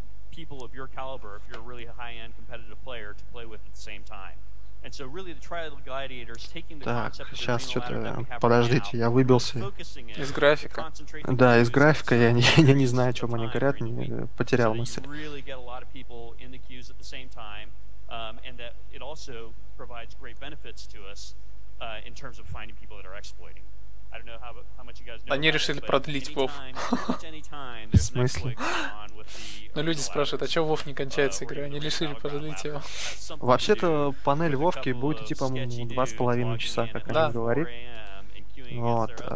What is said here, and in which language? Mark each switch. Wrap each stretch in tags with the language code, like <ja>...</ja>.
<en>people of your caliber, if you're a really high-end competitive player, to play with at the same time. And so really the Trial of the Gladiator is taking the concept of the Arena Ladder that we have right now.</en> <ru>Подождите, я выбился из графика. Да, из графика, я не знаю, о чем они говорят, потерял мысль.</ru> <en>So you really get a lot of people in the queues at the same time, and that it also provides great benefits to us in terms of finding people that are exploiting. I don't know how much you guys know.</en> <ru>Они решили продлить WoW. В смысле? Но люди спрашивают, а чё WoW не кончается игра? Они решили продлить его. Вообще-то панель WoWки будет идти, по-моему, 2.5 часа, как они говорит. Вот.</ru>